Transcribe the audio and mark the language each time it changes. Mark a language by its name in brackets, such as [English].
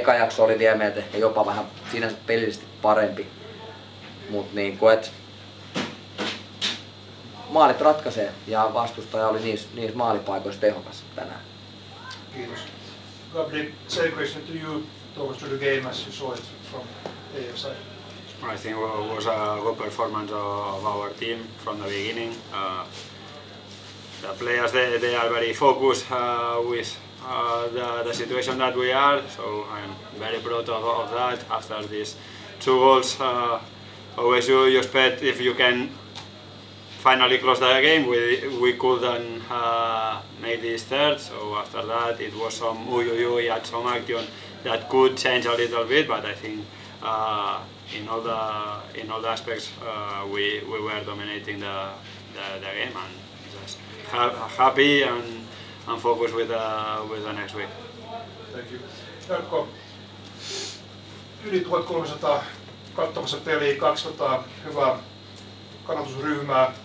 [Finnish] Eka jakso oli vielä meiltä ehkä jopa vähän sinänsä pelillisesti parempi, mutta niin kuin, että maalit ratkaisee ja vastustaja oli niissä maalipaikoissa tehokas tänään. Kiitos. [English] Gabri, same question to you, towards the game as you saw it from AFC. I think it was a good performance of our team from the beginning. The players, they are very focused with the situation that we are, so I'm very proud of that. After these 2 goals, always you expect if you can finally close the game, we couldn't make this third, so after that it was some uyuyuy at some action that could change a little bit, but I think in all the aspects we were dominating the game, and just happy and focused with the next week. Thank you. [Finnish] Jarkko, yli 1300 katsomassa peliä, 200 hyvää kannatusryhmää.